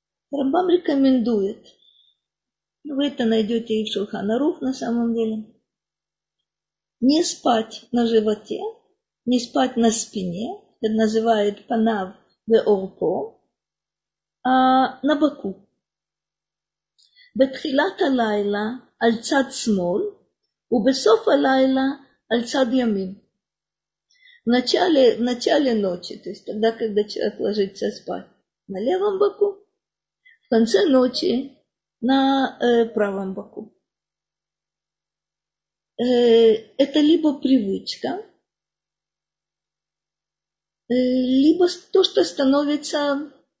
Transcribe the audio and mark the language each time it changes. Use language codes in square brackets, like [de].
[ru] Рамбам рекомендует, вы это найдете и в Шулхан Арух на самом деле, не спать на животе, не спать на спине, это называет панав ве урпо, а на боку. [he] בתחילת הלילה על צד שמאל, ובסוף הלילה על צד ימין. [ru] В начале ночи, то есть тогда, когда человек ложится спать, на левом боку, в конце ночи на правом боку. Это либо привычка, либо то, что становится...